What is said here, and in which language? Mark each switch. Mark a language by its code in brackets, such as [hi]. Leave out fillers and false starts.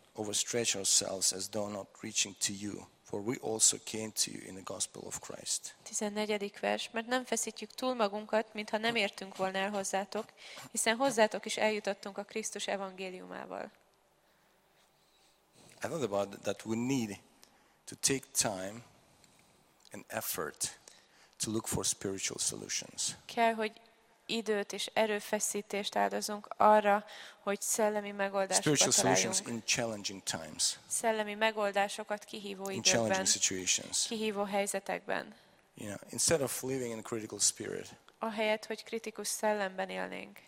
[en] overstretch ourselves as though not reaching to you, for we also came to you in the gospel of Christ. [hu] 14. vers, mert nem feszítjük túl magunkat, mintha nem értünk volna el hozzátok, hiszen hozzátok is eljutottunk a Krisztus evangéliumával. [en] I thought about that we need to take time and effort to look for spiritual solutions. [hu] Kell, hogy időt és erőfeszítést áldozunk arra, hogy szellemi megoldásokat találjunk. [en] Solutions in challenging times. [hu] Szellemi megoldásokat kihívó [en] in [hu] időkben, kihívó helyzetekben. [en] You know, instead of living in critical spirit, [hu] ahelyett, hogy kritikus szellemben élnénk,